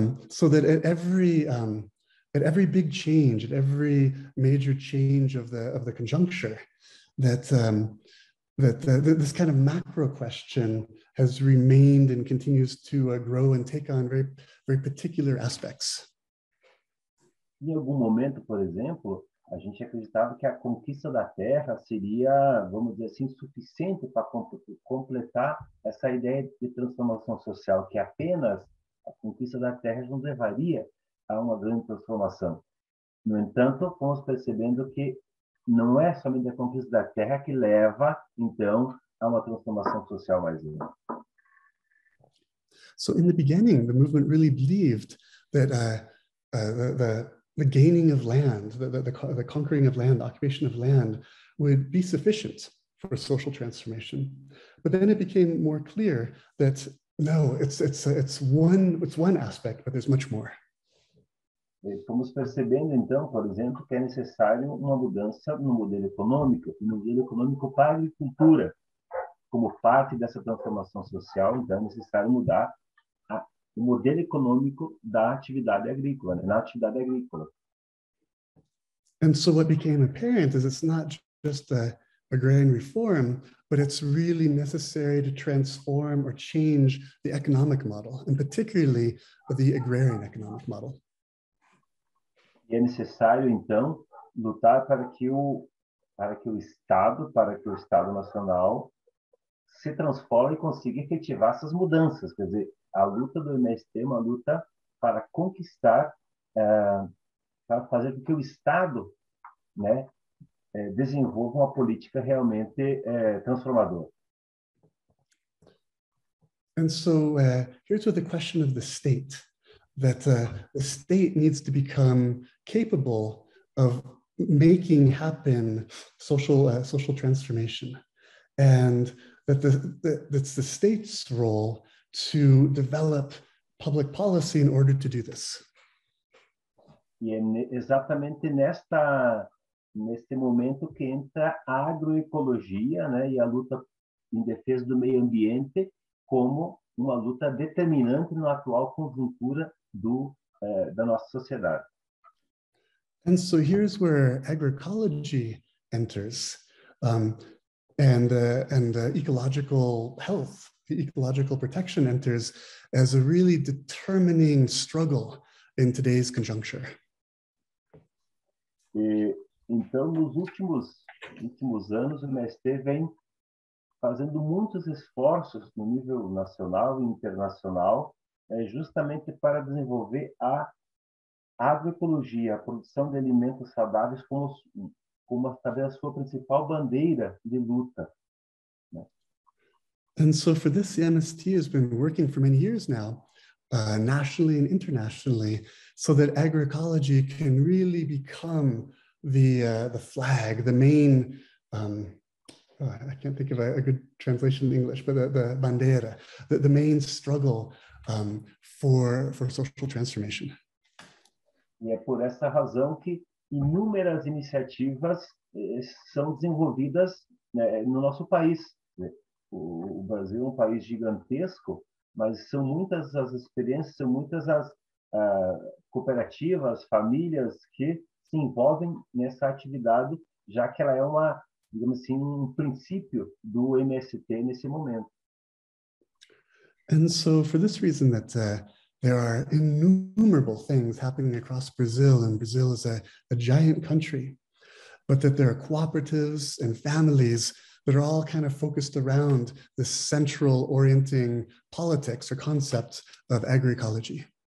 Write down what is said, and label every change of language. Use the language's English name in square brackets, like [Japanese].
[English] So that at every big change, at every major change of the conjuncture, that this kind of macro question has remained and continues to grow and take on very, very particular aspects. [Portuguese] Em algum momento, por exemplo, a gente acreditava que a conquista da Terra seria, vamos dizer assim, suficiente para completar essa ideia de transformação social, que apenas a conquista da Terra não levaria há uma grande transformação. No entanto, fomos percebendo que não é somente a conquista da Terra que leva, então, a uma transformação social mais ampla. [English] So, in the beginning, the movement really believed that the gaining of land, the conquering of land, the occupation of land, would be sufficient for social transformation. But then it became more clear that no, it's one aspect, but there's much more. [Portuguese] Fomos percebendo, então, por exemplo, que é necessário uma mudança no modelo econômico, no modelo econômico para a agricultura, como parte dessa transformação social, então é necessário mudar o modelo econômico da atividade agrícola, né? Na atividade agrícola. [English] And so what became apparent is it's not just a grand reform, but it's really necessary to transform or change the economic model, and particularly the agrarian economic model. [Portuguese] E é necessário, então, lutar para que o Estado nacional se transforme e consiga efetivar essas mudanças. Quer dizer, a luta do MST é uma luta para conquistar, para fazer com que o Estado, né, desenvolva uma política realmente transformadora. [English] And so here's the question of the state, that the state needs to become capable of making happen social transformation, and that that's the state's role to develop public policy in order to do this. [Portuguese] E é exatamente neste momento que entra a agroecologia, né, e a luta em defesa do meio ambiente como uma luta determinante na atual conjuntura da nossa sociedade. [English] And so here's where agroecology enters, ecological health, the ecological protection enters as a really determining struggle in today's conjuncture. [Portuguese] E, então, nos últimos anos, o MST vem fazendo muitos esforços no nível nacional e internacional, justamente para desenvolver a agroecologia, a produção de alimentos saudáveis como talvez a sua principal bandeira de luta. [English] And so for this, the MST has been working for many years now, nationally and internationally, so that agroecology can really become the flag, the main, I can't think of a good translation in English, but the bandeira, the main struggle for social transformation. [Portuguese] E é por essa razão que inúmeras iniciativas são desenvolvidas, né, no nosso país. O Brasil é um país gigantesco, mas são muitas as experiências, são muitas as cooperativas, famílias que se envolvem nessa atividade, já que ela é uma, digamos assim, um princípio do MST nesse momento. [English] And so for this reason that there are innumerable things happening across Brazil, and Brazil is a giant country, but that there are cooperatives and families that are all kind of focused around the central orienting politics or concept of agroecology.